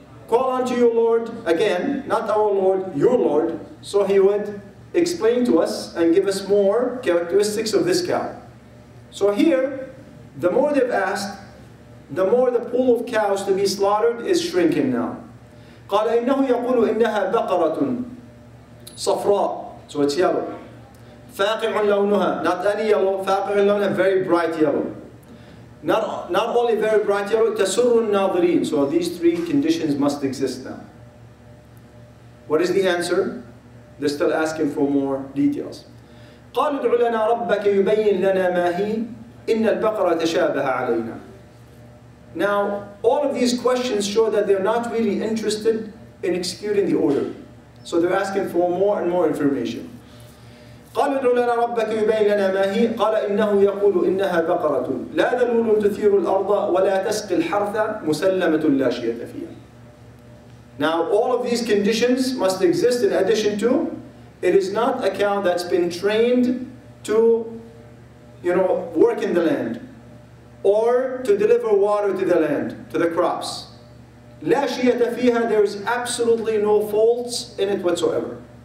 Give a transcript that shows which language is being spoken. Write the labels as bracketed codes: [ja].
[en] call unto your Lord again, not our Lord, your Lord. So he would explain to us and give us more characteristics of this cow. So here, the more they've asked, the more the pool of cows to be slaughtered is shrinking now. [ar] قال إنه يقول إنها بقرة صفراء. [en] So it's yellow. [ar] فاقع لونها. [en] Not any yellow. فاقع لونها. Very bright yellow. Not only very bright yellow. [ar] تسر الناظرين. [en] So these three conditions must exist now. What is the answer? They're still asking for more details. [ar] قال ادع لنا ربك يبين لنا ما هي إن البقرة تشابه علينا. [en] Now, all of these questions show that they're not really interested in executing the order. So they're asking for more and more information. [ar] قال ادع لنا ربك يبين لنا ما هي قال إنه يقول إنها بقرة لا ذلول تثير الأرض ولا تسقي الحرث مسلمة لا شية فيها. [en] Now, all of these conditions must exist in addition to, it is not a cow that's been trained to, you know, work in the land. Or to deliver water to the land, to the crops. [ar] لا شيئة فيها, [en] there is absolutely no faults in it whatsoever.